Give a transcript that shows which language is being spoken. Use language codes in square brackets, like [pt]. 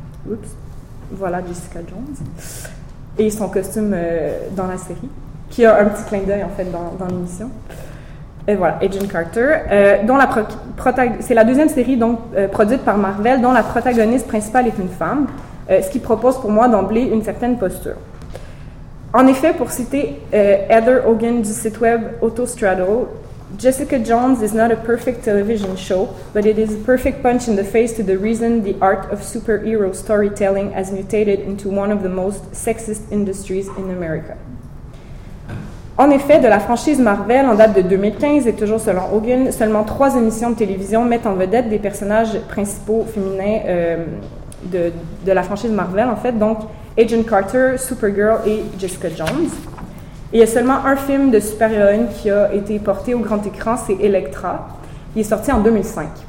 [fr] Oups, voilà Jessica Jones et son costume dans la série, qui a un petit clin d'œil en fait dans l'émission. Et voilà, Agent Carter, dont la c'est la deuxième série donc produite par Marvel, dont la protagoniste principale est une femme, ce qui propose pour moi d'emblée une certaine posture. En effet, pour citer Heather Hogan du site web Autostraddle, [en] Jessica Jones is not a perfect television show, but it is a perfect punch in the face to the reason the art of superhero storytelling has mutated into one of the most sexist industries in America. [fr] En effet, de la franchise Marvel en date de 2015, et toujours selon Hogan, seulement 3 émissions de télévision mettent en vedette des personnages principaux féminins de la franchise Marvel, en fait, donc Agent Carter, Supergirl et Jessica Jones. Et il y a seulement un film de super-héroïne qui a été porté au grand écran, c'est Elektra, qui est sorti en 2005.